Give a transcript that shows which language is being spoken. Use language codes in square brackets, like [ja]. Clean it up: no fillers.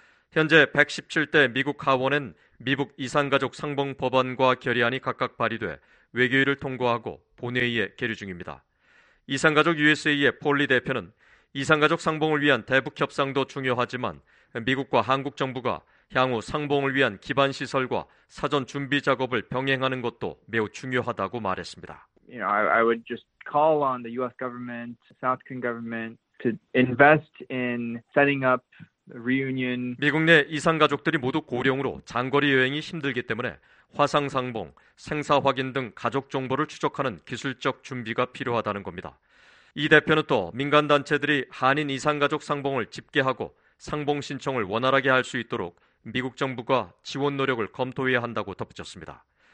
[ko] 현재 117대 미국 하원엔 미국 이산가족 상봉 법안과 결의안이 각각 발의돼 외교위를 통과하고 본회의에 계류 중입니다. 이산가족 USA의 폴리 대표는 이산가족 상봉을 위한 대북 협상도 중요하지만 미국과 한국 정부가 향후 상봉을 위한 기반 시설과 사전 준비 작업을 병행하는 것도 매우 중요하다고 말했습니다. [en] You know, I would just call on the US government, South Korean government to invest in setting up [ko] 미국 내 이산 가족들이 모두 고령으로 장거리 여행이 힘들기 때문에 화상 상봉, 생사 확인 등 가족 정보를 추적하는 기술적 준비가 필요하다는 겁니다. 이 대표는 또 민간 단체들이 한인 이산 가족 상봉을 집계하고 상봉 신청을 원활하게 할 수 있도록 미국 정부가 지원 노력을 검토해야 한다고 덧붙였습니다.